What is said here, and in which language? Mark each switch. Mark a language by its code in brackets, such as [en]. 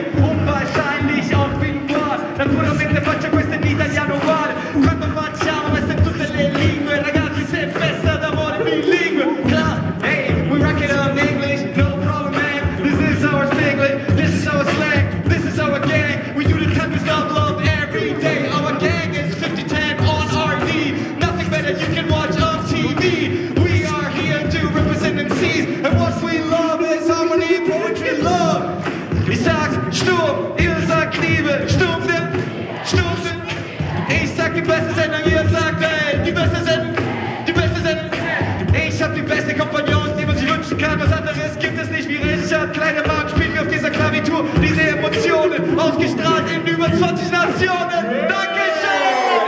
[de] Unwahrscheinlich auch wie ein Wort. [it] Naturalmente faccio questo in italiano uguale. Quando facciamo queste tutte le lingue. Ragazzi, se è festa d'amore bilingue. [en] Club, hey, we rock it on English. No problem, man, this is our Spanglish. This is our slang, this is our gang. We do the tempest of love every day. Our gang is 5010 on RD. Nothing better you can watch on TV. We are here to represent and seize. And what we love is harmony, poetry, love. [de] Ich sag Sturm, ihr sagt Liebe, Sturm der, Sturm der. Ich sag die beste Sendung, ihr sagt Welt, die beste Sendung, die beste Sendung. Ich hab die beste Kompagnons, die man sich wünschen kann. Was anderes gibt es nicht wie Richard Kleinemann. Spielt mir auf dieser Klavitur diese Emotionen, ausgestrahlt in über 20 Nationen. Dankeschön!